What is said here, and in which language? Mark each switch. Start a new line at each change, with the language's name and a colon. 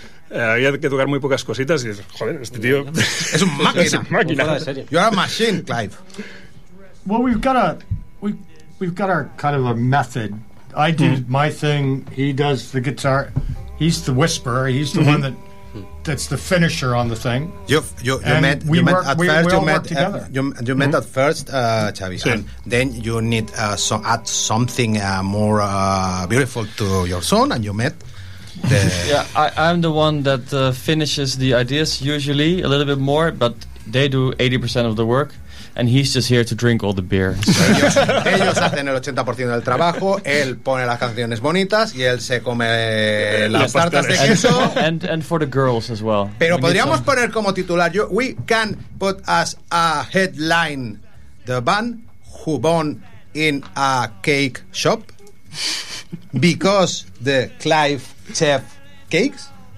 Spanish: había que tocar muy pocas cositas y, joder, este tío... Es un máquina. Es un máquina.
English: You're a machine, Clive. Well, we've got our kind of a method. I do my thing, he does the guitar, he's the whisperer, he's the one that's the finisher on the thing. You met at first, Xavi, sí. And then you need so add something more beautiful to your song, and you met the... I'm the one that finishes the ideas, usually a little bit more, but they do 80% of the work. And he's just here to drink all the beer. So.
Spanish: Ellos hacen el 80% del trabajo, él pone las canciones bonitas y él se come las tartas de queso.
English: And for the girls as well.
Spanish: Pero
English: we
Spanish: podríamos poner como titular,
English: we can put as a headline the band who born in a cake shop because the Clive chef cakes.